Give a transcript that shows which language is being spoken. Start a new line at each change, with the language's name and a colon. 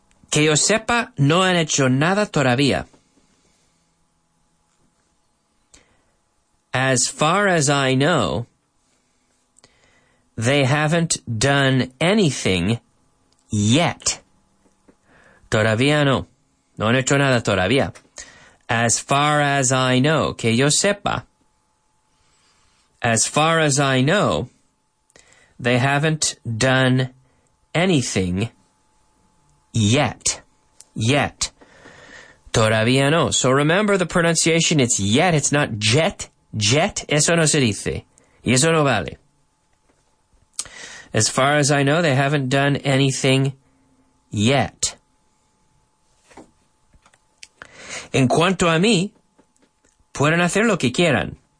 Spanish: Que yo sepa, no han hecho nada todavía.
English: As far as I know, they haven't done anything yet.
Spanish: Todavía no. No han hecho nada todavía.
English: As far as I know,
Spanish: que yo sepa.
English: As far as I know, they haven't done anything yet. Yet.
Spanish: Todavía no.
English: So remember the pronunciation, it's yet, it's not jet. Jet,
Spanish: eso no se dice. Y eso no vale.
English: As far as I know, they haven't done anything yet.
Spanish: En cuanto a mí, pueden hacer lo que quieran.